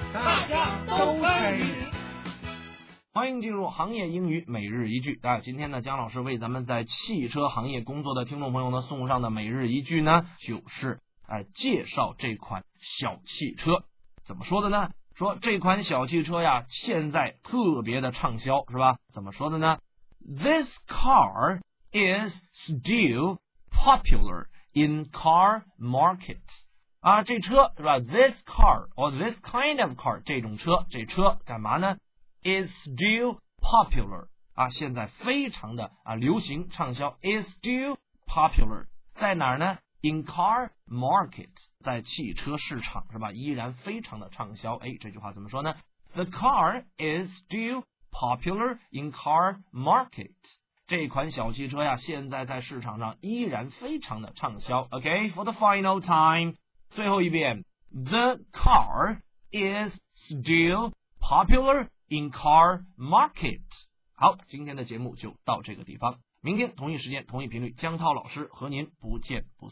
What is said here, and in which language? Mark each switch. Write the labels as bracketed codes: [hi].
[zh] 大家都可以。欢迎进入行业英语每日一句。今天呢，姜老师为咱们在汽车行业工作的听众朋友呢送上的每日一句呢，就是介绍这款小汽车。怎么说的呢？说这款小汽车呀，现在特别的畅销，是吧？怎么说的呢 [en] ？This car is still popular in car market。 [zh] 啊，这车是吧 ？ [en] This car or this kind of car， [zh] 这车干嘛呢？ [en] Is still popular [zh] 啊，现在非常的啊流行畅销。 [en] Is still popular [zh] 在哪儿呢 ？ [en] In car market， [zh] 在汽车市场是吧？依然非常的畅销。哎，这句话怎么说呢 [en] ？The car is still popular in car market。 [zh] 这款小汽车呀，现在在市场上依然非常的畅销。 [en] Okay, for the final time， [zh] 最后一遍 [en] ，The car is still popular。 In car market， [zh] 好，今天的节目就到这个地方。明天同一时间，同一频率，江涛老师和您不见不散。